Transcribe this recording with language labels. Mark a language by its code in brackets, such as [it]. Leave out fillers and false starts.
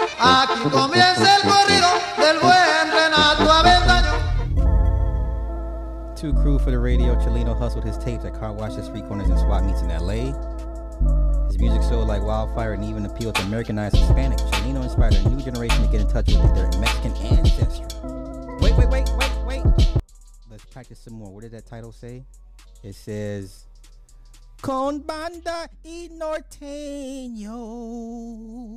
[es] Aquí comienza el corrido del buen Renato Avendaño. [en] Two crew for the radio, Chalino hustled his tapes at car washes, street corners, and swap meets in LA. His music sold like wildfire and even appealed to Americanized Hispanic. Chalino inspired a new generation to get in touch with their Mexican ancestry. Wait. Let's practice some more. What did that title say? It says, Con Banda y Norteño.